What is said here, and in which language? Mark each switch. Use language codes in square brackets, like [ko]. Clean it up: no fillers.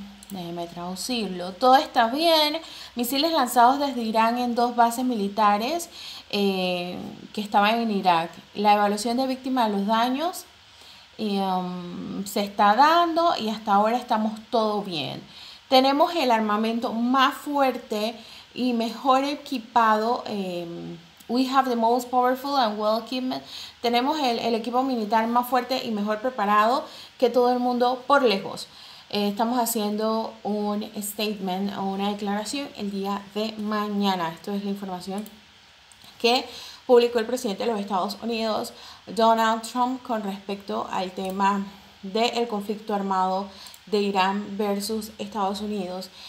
[es] Déjeme traducirlo. Todo está bien. Misiles lanzados desde Irán en dos bases militares que estaban en Irak. La evaluación de víctimas de los daños se está dando y hasta ahora estamos todo bien. Tenemos el armamento más fuerte y mejor equipado. [en] We have the most powerful and well equipped. [es] Tenemos el equipo militar más fuerte y mejor preparado que todo el mundo por lejos. Estamos haciendo un statement o una declaración el día de mañana. Esto es la información que publicó el presidente de los Estados Unidos, Donald Trump, con respecto al tema del conflicto armado de Irán versus Estados Unidos.